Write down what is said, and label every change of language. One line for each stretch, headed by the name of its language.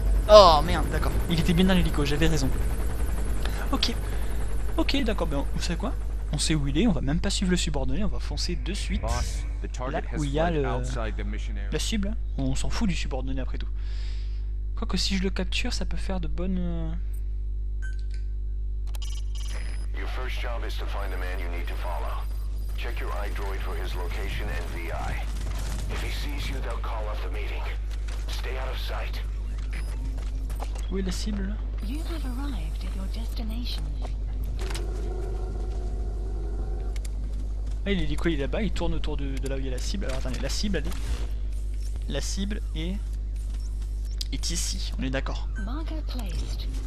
French: Oh merde, d'accord. Il était bien dans l'hélico, j'avais raison. Ok. Ok, d'accord, ben vous savez quoi? On sait où il est, on va même pas suivre le subordonné, on va foncer de suite. Là où il y a la cible. On s'en fout du subordonné après tout. Quoique si je le capture, ça peut faire de bonnes...
English: Your first job is to find the man you need to follow. Check your iDroid for his location and VI. If he sees you, they'll call off the meeting. Stay out of sight.
French: Où est la cible?
English: You have arrived at your destination.
French: Ah, il est quoi? Il est là-bas, il tourne autour de là où il y a la cible. Alors attendez, la cible est ici, on est d'accord.
English: Marker placed.